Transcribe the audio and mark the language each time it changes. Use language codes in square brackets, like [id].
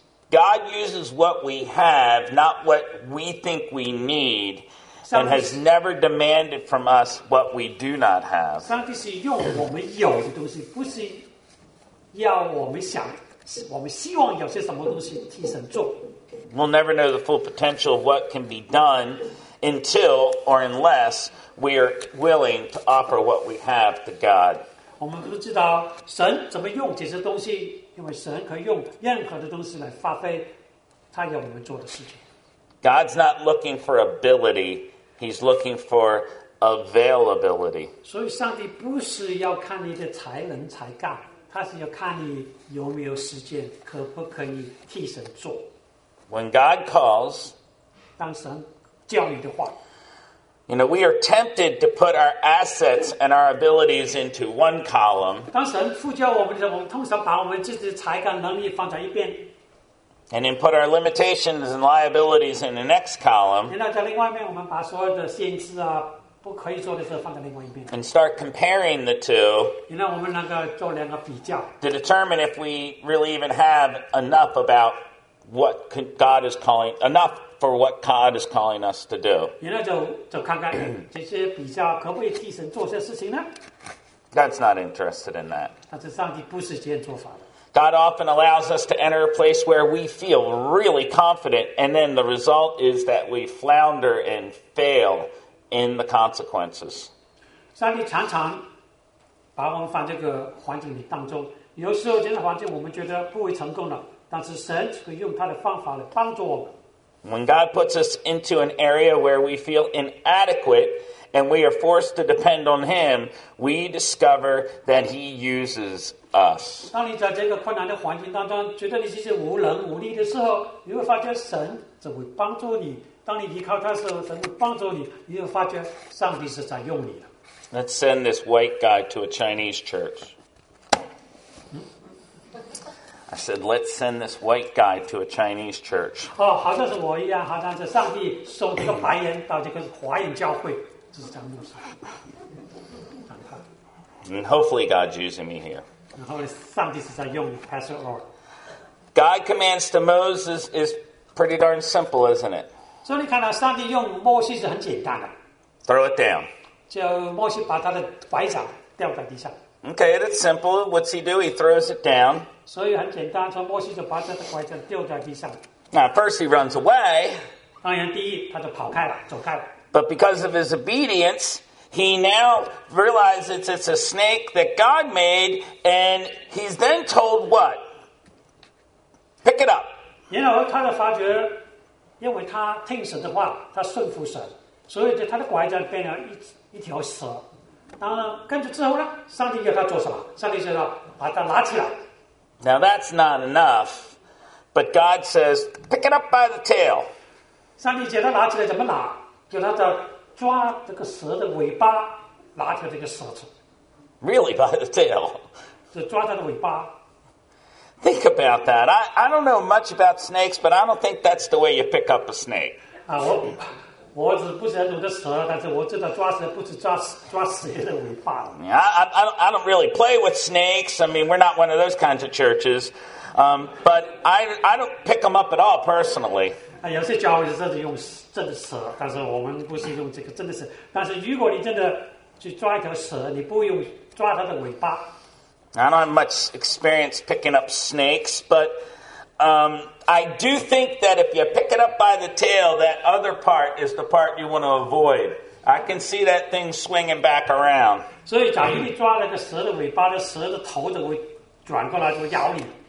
[en] God uses what we have, not what we think we need, and has never demanded from us what we do not have. [zh] 上帝是用我们有的东西，不是要我们想，我们希望有些什么东西替神做。 [en] We'll never know the full potential of what can be done until or unless we are willing to offer what we have to God. [zh] 我们不知道神怎么用这些东西，因为神可以用任何的东西来发挥他要我们做的事情。 [en] God's not looking for ability, he's looking for availability. [zh] 所以上帝不是要看你的才能才干，他是要看你有没有时间，可不可以替神做。 [en] When God calls, [zh] 当神叫你的话， [en] you know, we are tempted to put our assets and our abilities into one column. [zh] 当神呼叫我们的时候，我们通常把我们自己的才干能力放在一边。 [en] And then put our limitations and liabilities in the next column. [zh] 那在另外一边，我们把所有的限制啊，不可以做的事放在另外一边。 [en] And start comparing the two. [zh] 那我们能够做两个比较。 [en] To determine if we really even have enough about what God is calling enough for what God is calling us to do. [zh] 那就看看这些比较可不可以替神做些事情呢？ [en] God's not interested in that. [zh] 但是上帝不是这样做法的。 [en] God often allows us to enter a place where we feel really confident, and then the result is that we flounder and fail in the consequences. [zh] 上帝常常把我们放在这个环境里当中，有时候这个环境我们觉得不会成功了，但是神会用他的方法来帮助我们。 [en] When God puts us into an area where we feel inadequate and we are forced to depend on Him, we discover that He uses us. [zh] 当你在这个困难的环境当中，觉得你自己无能无力的时候，你会发觉神怎么帮助你。当你依靠他的时候，神会帮助你，你会发觉上帝是在用你的。 [en] Let's send this white guy to a Chinese church. I said, let's send this white guy to a Chinese church. [zh] 哦，好像是我一样，好像是上帝送这个白人到这个华人教会，就是这样的事。 [en] And hopefully God's using me here. God commands to Moses is pretty darn simple, isn't it? [zh] 所以你看到上帝用摩西是很简单的。 [en] Throw it down. [zh] 就摩西把他的拐杖掉在地上。 [en] Okay, that's simple. What's he do? He throws it down. [zh] 所以很简单，从摩西就把他的拐杖掉在地上。 [en] Now, first he runs away. [zh] 当然，第一他就跑开了，走开了。 [en] But because of his obedience. He now realizes it's a snake that God made, and he's then told what? Pick it up. You know, [zh] 他就发觉，因为他听神的话，他顺服神，所以他的拐杖变成一条蛇。当然，跟着之后呢，上帝要他做什么？上帝就说，把它拿起来。 [en] Now that's not enough, but God says, pick it up by the tail. [zh] 上帝叫他拿起来怎么拿？叫他的抓这个蛇的尾巴，拿起这个蛇子。 [en] Really, by the tail? [zh] 就抓它的尾巴。 [en] Think about that. I don't know much about snakes, but I don't think that's the way you pick up a snake. [zh] 啊，我只不是很懂得蛇，但是我知道抓蛇不是抓蛇的尾巴。 [en] I don't really play with snakes. I mean, we're not one of those kinds of churches. But I don't pick them up at all personally. [zh] 啊，有些教会是真的用。真的蛇，但是我们不是用这个真的蛇。但是如果你真的去抓一条蛇，你不用抓它的尾巴。 [en] I don't have much experience picking up snakes, but I do think that if you pick it up by the tail, that other part is the part you want to avoid. I can see that thing swinging back around. [zh] 所以，假如你抓那个蛇的尾巴，那蛇的头就会转过来就咬你。